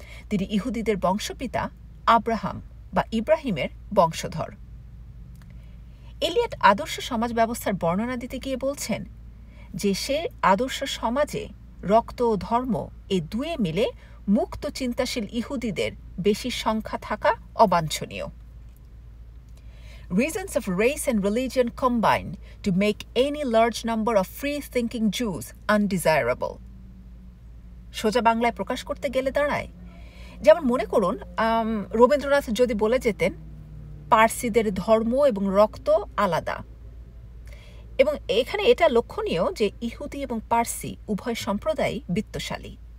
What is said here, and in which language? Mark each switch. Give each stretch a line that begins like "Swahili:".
Bangla: তিনি ইহুদিদের বংশপিতা আব্রাহাম বা ইব্রাহিমের বংশধর। এলিয়ট আদর্শ সমাজ ব্যবস্থার বর্ণনা দিতে গিয়ে বলছেন যে সে আদর্শ সমাজে রক্ত ও ধর্ম এ দুয়ে মিলে মুক্ত চিন্তাশীল ইহুদিদের বেশি সংখ্যা থাকা অবাঞ্ছনীয়।
English: Reasons of race and religion combine to make any large number of free-thinking Jews undesirable.
Bangla: সোজা বাংলায় প্রকাশ করতে গেলে দাঁড়ায়, যেমন মনে করুন রবীন্দ্রনাথ যদি বলে যেতেন পার্সিদের ধর্ম এবং রক্ত আলাদা। এবং এখানে এটা লক্ষণীয় যে ইহুদি এবং পার্সি উভয় সম্প্রদায়ই বিত্তশালী।